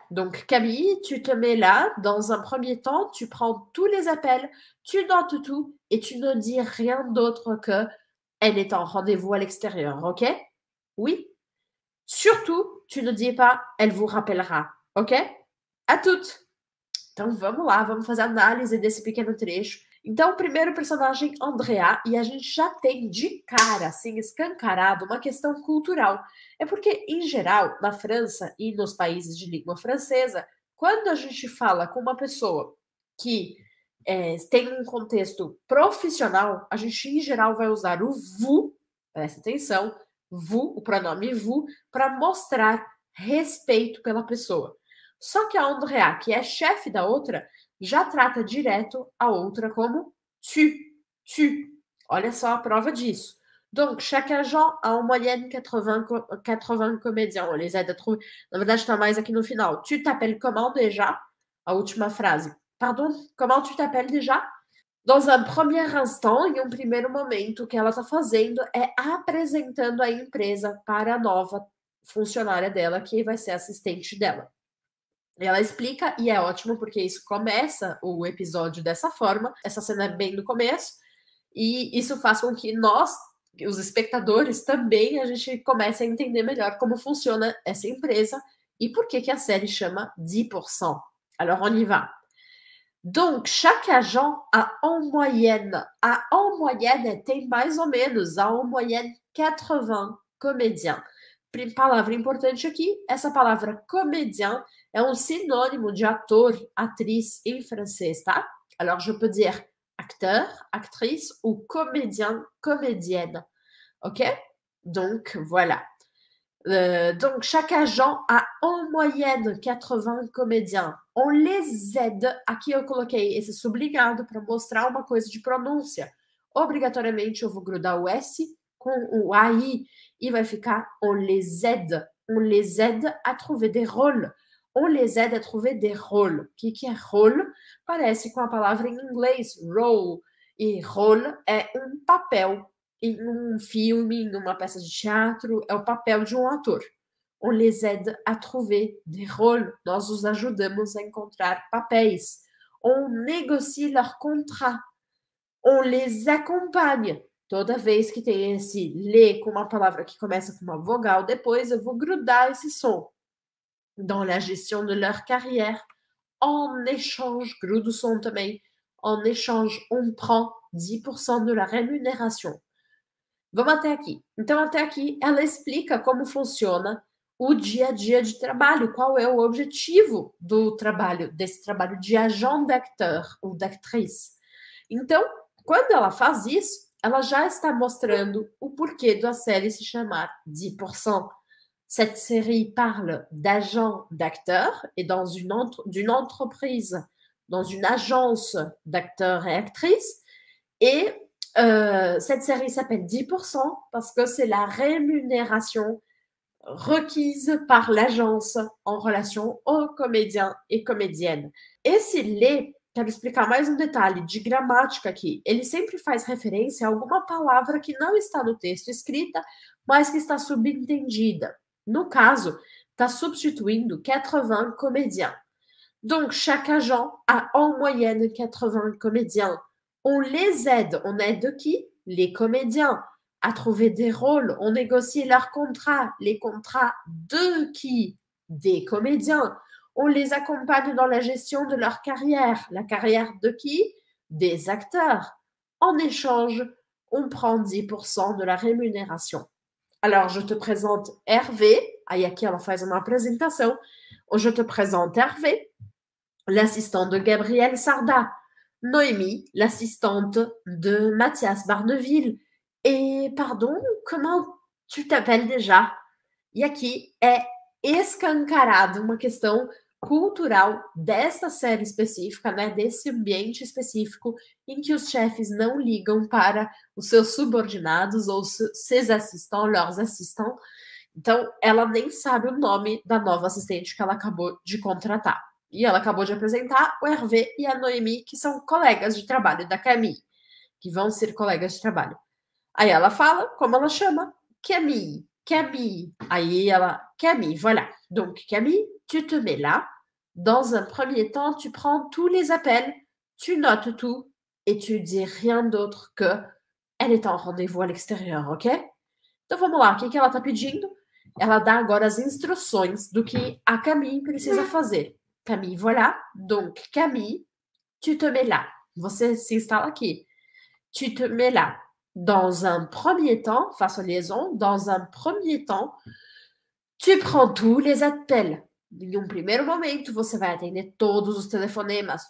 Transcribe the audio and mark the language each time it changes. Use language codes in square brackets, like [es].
[fr] Donc, Camille, tu te mets là, dans un premier temps, tu prends tous les appels, tu notes tout, et tu ne dis rien d'autre que elle est en rendez-vous à l'extérieur, ok? Oui? Surtout, tu ne dis pas, elle vous rappellera, ok? À toutes! [pt] Então, vamos lá, vamos fazer a análise desse pequeno trecho. Então, o primeiro personagem, Andrea, e a gente já tem de cara, assim, escancarado, uma questão cultural. É porque, em geral, na França e nos países de língua francesa, quando a gente fala com uma pessoa que tem um contexto profissional, a gente em geral vai usar o vous, presta atenção, vous, o pronome vous, para mostrar respeito pela pessoa. Só que a Andrea, que é chefe da outra, já trata direto a outra como tu. Olha só a prova disso. [fr] Donc, chaque agent a en moyenne 80 comédiens. On les aide à trouver. [pt] Na verdade, está mais aqui no final. [fr] Tu t'appelles comment déjà? [pt] A última frase. [fr] Pardon, comment tu t'appelles déjà? Dans un premier instant, [pt] em um primeiro momento, o que ela está fazendo é apresentando a empresa para a nova funcionária dela, que vai ser assistente dela. Ela explica, e é ótimo porque isso começa o episódio dessa forma, essa cena é bem no começo, e isso faz com que nós, os espectadores, também a gente comece a entender melhor como funciona essa empresa e por que que a série chama 10%. [fr] Alors, on y va. Donc, chaque agent a en moyenne, [pt] tem mais ou menos, [fr] a en moyenne 80 comédiens. [pt] Palavra importante aqui, essa palavra comédien é um sinônimo de ator, atriz em francês, tá? [fr] Alors, je peux dire acteur, actrice ou comédien, comédienne. Ok? Donc, voilà. Donc, chaque agent a en moyenne 80 comédiens. On les aide. [pt] Aqui eu coloquei esse sublinhado para mostrar uma coisa de pronúncia. Obrigatoriamente eu vou grudar o S com o AI e vai ficar [fr] on les aide. on les aide à trouver des rôles. On les aide à trouver des rôles. Qui est rôle? [pt] Parece com a palavra em inglês, role. E rôle é um papel. Em um filme, em uma peça de teatro, é o papel de um ator. [fr] On les aide à trouver des rôles. [pt] Nós os ajudamos a encontrar papéis. [fr] On négocie leur contrat. On les accompagne. [pt] Toda vez que tem esse lê com uma palavra que começa com uma vogal, depois eu vou grudar esse som. [fr] Dans la gestion de leur carrière, en échange, [pt] grudo son também, [fr] en échange, on prend 10% de la rémunération. [pt] Vamos até aqui. Então, até aqui, ela explica como funciona o dia a dia de trabalho, qual é o objetivo do trabalho, desse trabalho de [fr] agent d'acteur ou d'actrice. [pt] Então, quando ela faz isso, ela já está mostrando o porquê da série se chamar 10%. [fr] Cette série parle d'agents, d'acteurs et dans d'une entreprise, dans une agence d'acteurs et actrices. Et cette série s'appelle 10% parce que c'est la rémunération requise par l'agence en relation aux comédiens et comédiennes. Et c'est les, [pt] quero explicar mais détail de gramática aqui. Ele sempre faz referência a alguma palavra que não está no texto escrita, mas que está subentendida. No caso, está substituindo 80 comédiens. [fr] Donc, chaque agent a en moyenne 80 comédiens. On les aide. On aide qui? Les comédiens. À trouver des rôles. On négocie leurs contrats. Les contrats de qui? Des comédiens. On les accompagne dans la gestion de leur carrière. La carrière de qui? Des acteurs. En échange, on prend 10% de la rémunération. Alors, je te présente Hervé. [pt] Aí, aqui ela faz uma apresentação. [fr] Je te présente Hervé, l'assistant de Gabriel Sarda. Noémie, l'assistante de Mathias Barneville. Et pardon, comment tu t'appelles déjà? [pt] E aqui é escancarado uma questão cultural dessa série específica, né? Desse ambiente específico em que os chefes não ligam para os seus subordinados ou seus assistants, [fr] leurs assistants. [pt] Então, ela nem sabe o nome da nova assistente que ela acabou de contratar. E ela acabou de apresentar o Hervé e a Noémie, que são colegas de trabalho da Camille, que vão ser colegas de trabalho. Aí ela fala como ela chama Camille. [fr] Camille. [pt] Aí ela, [fr] Camille, voilà. Donc, Camille, tu te mets là. Dans un premier temps, tu prends tous les appels, tu notes tout et tu dis rien d'autre que elle est en rendez-vous à l'extérieur, ok? [pt] Então, vamos lá. O que ela está pedindo? Ela dá agora as instruções do que a Camille precisa fazer. [fr] Camille, voilà. Donc, Camille, tu te mets là. [pt] Você se instala aqui. [fr] Tu te mets là. Dans un premier temps, face aux liaisons, dans un premier temps, tu prends tous les appels. [pt] Em primeiro momento, você vai atender todos os telefonemas.